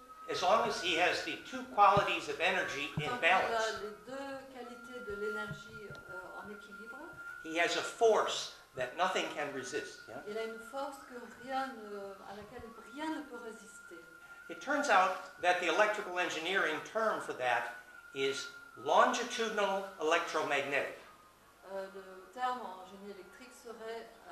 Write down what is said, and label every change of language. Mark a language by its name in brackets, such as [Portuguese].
[English] As long as he has the two qualities of energy in balance, [French] les deux qualités de l'énergie en équilibre, [English] he has a force that nothing can resist. [French] Il a une force que rien ne, à laquelle rien ne peut résister. [English] It turns out that the electrical engineering term for that is longitudinal electromagnetic. [French] Le terme en génie électrique serait